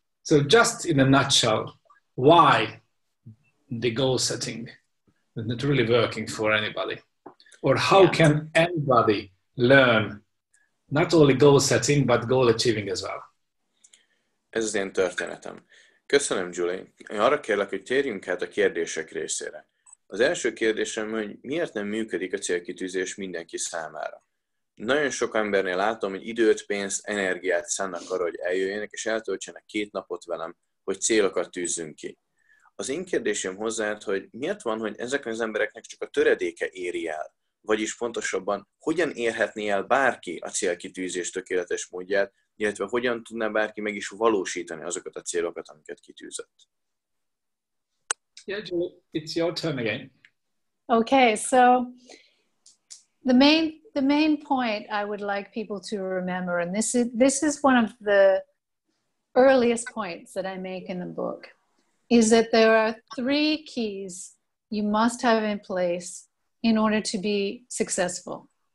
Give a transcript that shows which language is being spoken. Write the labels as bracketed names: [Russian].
[English] So just in a nutshell, why the goal setting is not really working for anybody? Or how can anybody learn not only goal setting, but goal achieving as well? [Hungarian] Ez az én történetem. Köszönöm, Julie. Arra kérlek, hogy térjünk át a kérdések részére. Az első kérdésem, hogy miért nem működik a célkitűzés mindenki számára? Nagyon sok embernél látom, hogy időt, pénzt, energiát szánnak arra, hogy eljöjjenek, és eltöltsenek 2 napot velem, hogy célokat tűzzünk ki. Az én kérdésem hozzád, hogy miért van, hogy ezek az embereknek csak a töredéke éri el? Vagyis pontosabban, hogyan érhetné el bárki a célkitűzés tökéletes módját, illetve hogyan tudná bárki meg is valósítani azokat a célokat, amiket kitűzött? [English] Yeah, Julie, it's your turn again. Okay, so the main point I would like people to remember, and this is one of the earliest points that I make in the book, is that there are 3 keys you must have in place in order to be successful.